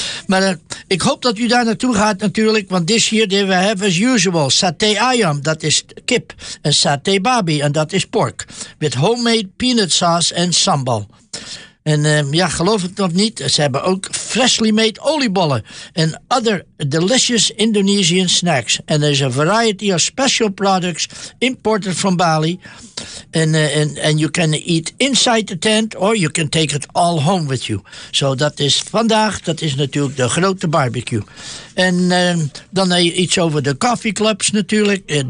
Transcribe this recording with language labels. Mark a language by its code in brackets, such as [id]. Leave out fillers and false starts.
[nl] Maar ik hoop dat u daar naartoe gaat natuurlijk. Want [en] this year we have as usual [nl] saté ayam, dat is kip. En saté babi, en dat is pork. [en] With homemade peanut sauce [nl] en sambal. En geloof het of niet, ze hebben ook [en] freshly made [nl] oliebollen en [en] other delicious Indonesian snacks. En there's a variety of special products imported from Bali. And you can eat inside the tent or you can take it all home with you. [nl] So dat is vandaag, dat is natuurlijk de grote barbecue. En dan iets over de coffee clubs natuurlijk.